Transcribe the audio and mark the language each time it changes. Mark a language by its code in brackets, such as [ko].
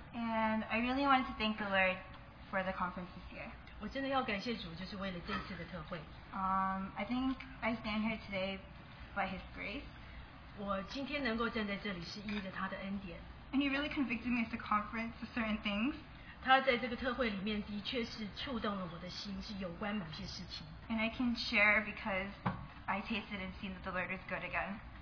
[en] And I really want to thank the Lord for the conference this year. [zh] 我真的要感谢主, 就是为了这次的特会。 [en] I think I stand here today by His grace. [zh] 我今天能够站在这里是因着他的恩典。 [en] And He really convicted me at the conference of certain things. [zh] 他在这个特会里面的确是触动了我的心，是有关某些事情。 [en] And I can share because I tasted and seen that the Lord is good again.